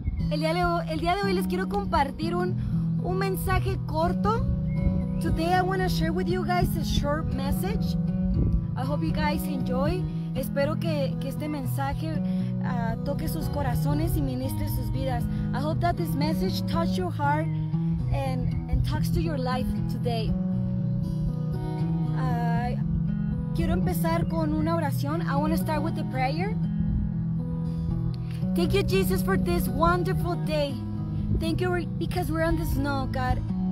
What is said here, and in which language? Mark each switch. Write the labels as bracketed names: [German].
[Spanish] El día de hoy les quiero compartir un mensaje corto. [English] Today I want to share with you guys a short message. I hope you guys enjoy. [Spanish] Espero que este mensaje toque sus corazones y ministre sus vidas. [English] I hope that this message touch your heart and talks to your life today. [Spanish] Quiero empezar con una oración. [English] I want to start with a prayer. Thank you, Jesus, for this wonderful day. Thank you because we're on the snow, God.